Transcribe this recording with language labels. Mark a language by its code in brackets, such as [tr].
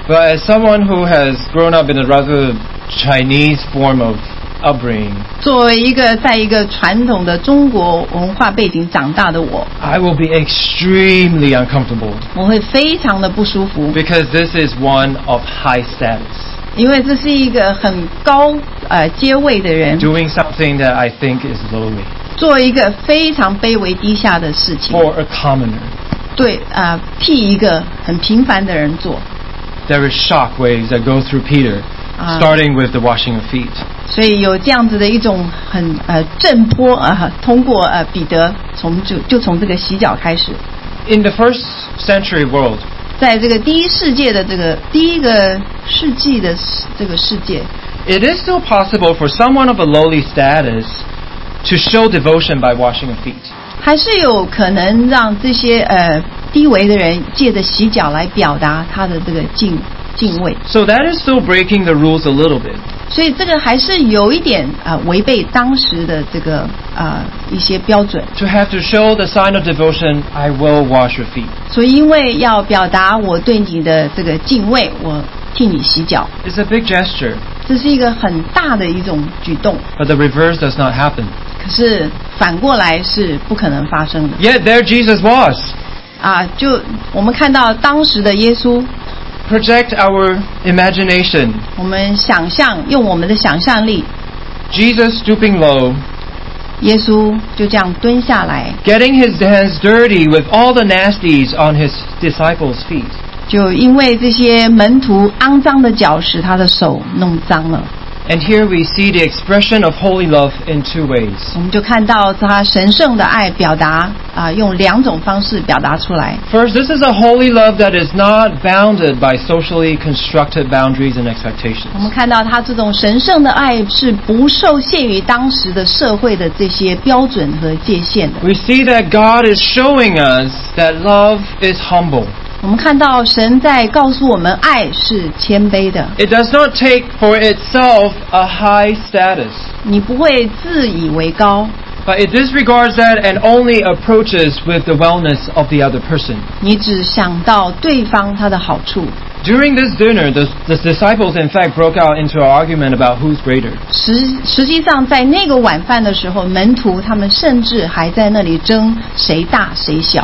[en] But as someone who has grown up in a rather Chinese form of upbringing, [zh] 作为一个在一个传统的中国文化背景长大的我 [en] I will be extremely uncomfortable. [zh] 我会非常的不舒服。 [en] Because this is one of high status. [zh] 因为这是一个很高阶位的人。 [en] Doing something that I think is lowly. [zh] 做一个非常卑微低下的事情。 [en] For a commoner. [zh] 对替一个很平凡的人做 [en] There is shock waves that go through Peter starting with the washing of feet [zh] 所以有这样子的一种很震波通过彼得就从这个洗脚开始 [en] In the first century world [zh] 在这个第一世界的这个第一个世纪的这个世界 [en] It is still possible for someone of a lowly status to show devotion by washing of feet [zh] 还是有可能让这些低微的人借着洗脚来表达他的这个敬畏 [en] so that is still breaking the rules a little bit [zh] 所以这个还是有一点违背当时的这个一些标准 [en] to have to show the sign of devotion I will wash your feet [zh] 所以因为要表达我对你的这个敬畏我替你洗脚 [en] it's a big gesture [zh] 这是一个很大的一种举动 [en] but the reverse does not happen [zh] 可是反过来是不可能发生的 [en] Yet there Jesus was [zh] 就我们看到当时的耶稣 [en] Project our imagination [zh] 我们想象用我们的想象力 [en] Jesus stooping low [zh] 耶稣就这样蹲下来 [en] Getting his hands dirty with all the nasties on his disciples' feet [zh] 就因为这些门徒肮脏的脚使他的手弄脏了 [en] And here we see the expression of holy love in two ways. [zh] 我们就看到他神圣的爱表达用两种方式表达出来。 [en] First, this is a holy love that is not bounded by socially constructed boundaries and expectations. [zh] 我们看到他这种神圣的爱是不受限于当时的社会的这些标准和界限的。 [en] We see that God is showing us that love is humble. [zh] 我们看到神在告诉我们爱是谦卑的 [en] It does not take for itself a high status [zh] 你不会自以为高 [en] But it disregards that and only approaches with the wellness of the other person [zh] 你只想到对方他的好处 [en] During this dinner, the disciples in fact broke out into an argument about who's greater [zh] 实际上在那个晚饭的时候门徒他们甚至还在那里争谁大谁小